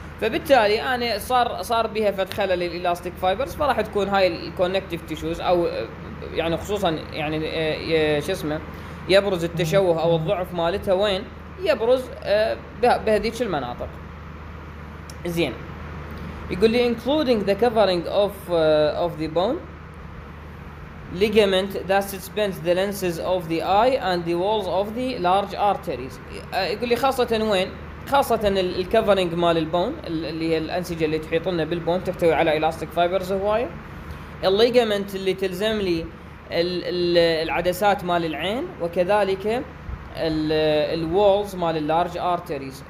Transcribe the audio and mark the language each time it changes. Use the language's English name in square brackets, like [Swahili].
[Arabic] فبالتالي أنا صار بها فتخلل الإلاستيك فايبرز، فراح تكون هاي الكونكتيف تيشوز أو يعني خصوصا يعني شو اسمه يبرز التشوه او الضعف مالتها وين يبرز بهذيك المناطق. زين، يقول لي [English] including the covering of the bone ligament that suspends the lenses of the eye and the walls of the large arteries. [Arabic] يقول لي خاصة وين؟ خاصة الكفرنج مال البون اللي هي الأنسجة اللي تحيطنا بالبون تحتوي على إلاستيك فايبرز هواية. الليجمنت اللي تلزم لي العدسات مال العين وكذلك الوولز مال اللارج ارتريز.